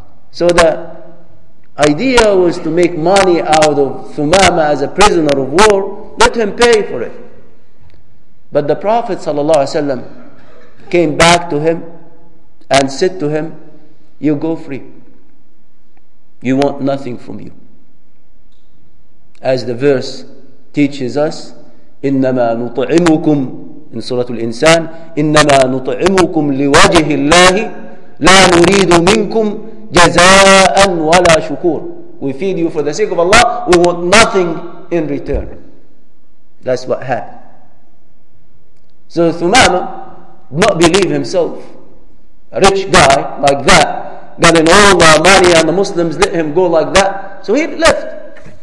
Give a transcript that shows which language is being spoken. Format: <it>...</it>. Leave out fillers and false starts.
<en>So the idea was to make money out of Thumama as a prisoner of war. Let him pay for it. But the Prophet ﷺ came back to him and said to him, "You go free. You want nothing from you." As the verse teaches us,</en> <ar>إنما نطعمكم in سورة الإنسان, إنما نطعمكم لوجه الله لا نريد منكم جزاء ولا شكور.</ar> <en>We feed you for the sake of Allah, we want nothing in return. That's what happened. So Thumama did not believe himself, a rich guy like that, getting all the money and the Muslims let him go like that. So he left.</en>